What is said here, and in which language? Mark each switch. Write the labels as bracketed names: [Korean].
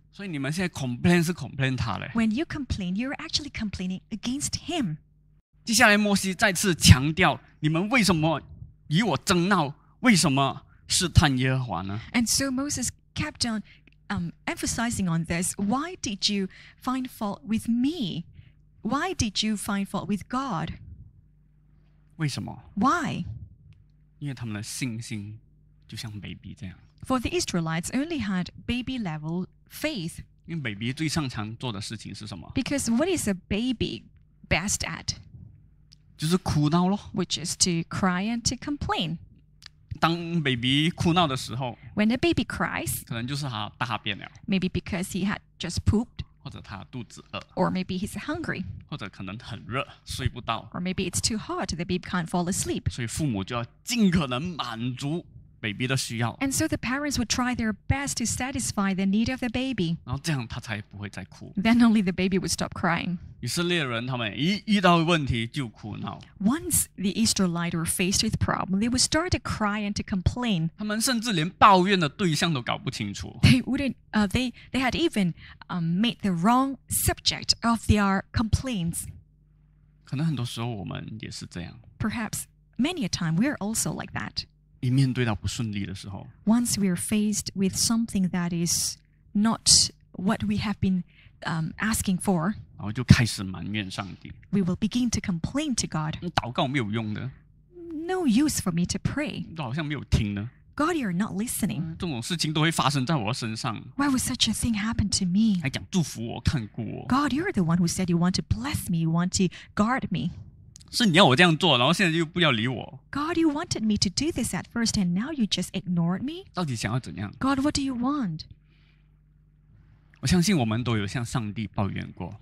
[Chinese] 所以你们现在 complain 是 complain 他嘞。 [English] When you complain, you're actually complaining against him. [Chinese] 接下来摩西再次强调，你们为什么与我争闹？为什么试探耶和华呢？ [English] And so Moses kept on emphasizing on this. Why did you find fault with me? Why did you find fault with God? [Chinese] 为什么？ [English] Why? [Chinese] 因为他们的信心就像 baby 这样。 [English] For the Israelites only had baby level faith. [Chinese] 因为 baby 最擅长做的事情是什么？ [English] Because what is a baby best at? [Chinese] 就是哭闹咯。 [English] Which is to cry and to complain. [Chinese] 当 baby 哭闹的时候， [English] When a baby cries, [Chinese] 可能就是他大便了。 [English] Maybe because he had just pooped. [Chinese] 或者他肚子饿， [English] or maybe he's hungry， [Chinese] 或者可能很热睡不到， [English] or maybe it's too hot the baby can't fall asleep， [Chinese] 所以父母就要尽可能满足 baby 的需要， [English] and so the parents would try their best to satisfy the need of the baby， [Chinese] 然后这样他才不会再哭， [English] then only the baby would stop crying。 [Chinese] 以色列人他们一遇到问题就哭闹， [English] once the Israelites were faced with problem they would start to cry and to complain， [Chinese] 他们甚至连抱怨的对象都搞不清楚， [English] they had evenmade the wrong subject of their complaints. [Chinese] 可能很多时候我们也是这样。 [English] Perhaps many a time we are also like that. [Chinese] 一面对到不顺利的时候。 [English] Once we are faced with something that is not what we have been asking for, [Chinese] 然后就开始埋怨上帝。 [English] We will begin to complain to God. [Chinese] 祷告没有用的。 [English] No use for me to pray. [Chinese] 都好像没有听呢。 [English] God, you're not listening. [Chinese] 这种事情都会发生在我身上。 [English] Why would such a thing happen to me? [Chinese] 还讲祝福我，看顾我。 [English] God, you're the one who said you want to bless me, you want to guard me. [Chinese] 是你要我这样做，然后现在就不要理我。 [English] God, you wanted me to do this at first, and now you just ignored me. [Chinese] 到底想要怎样？ [English] God, what do you want? [Chinese] 我相信我们都有向上帝抱怨过。